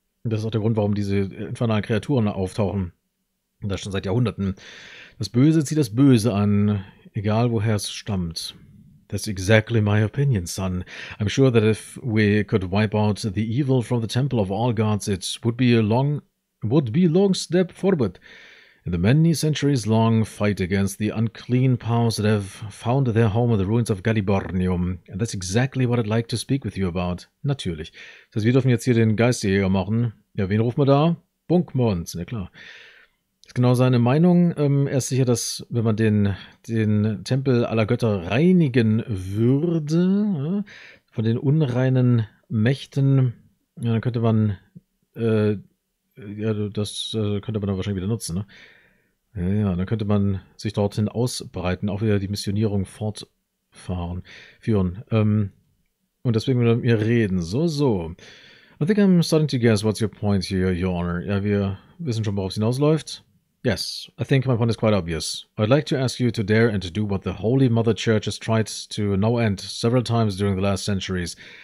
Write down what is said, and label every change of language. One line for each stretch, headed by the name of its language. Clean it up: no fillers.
German: Das ist auch der Grund, warum diese infernalen Kreaturen auftauchen. Das schon seit Jahrhunderten. Das Böse zieht das Böse an, egal woher es stammt.
English: That's exactly my opinion, son. I'm sure that if we could wipe out the evil from the Temple of All Gods, it would be a long step forward. In the many centuries long fight against the unclean powers that have found their home in the ruins of Galibornium. And that's exactly what I'd like to speak with you about.
German: Natürlich. Das heißt, wir dürfen jetzt hier den Geisterjäger machen. Ja, wen rufen wir da? Bunkmons, na klar. Das ist genau seine Meinung. Er ist sicher, dass wenn man den Tempel aller Götter reinigen würde, von den unreinen Mächten, ja, dann könnte man... könnte man dann wahrscheinlich wieder nutzen, ne? Ja, dann könnte man sich dorthin ausbreiten, auch wieder die Missionierung fortführen. Und deswegen wollen wir reden. So.
English: I think I'm starting to guess what's your point here, Your Honor.
German: Ja, wir wissen schon, worauf es hinausläuft.
English: Yes, I think my point is quite obvious. I'd like to ask you to dare and to do what the Holy Mother Church has tried to no end several times during the last centuries.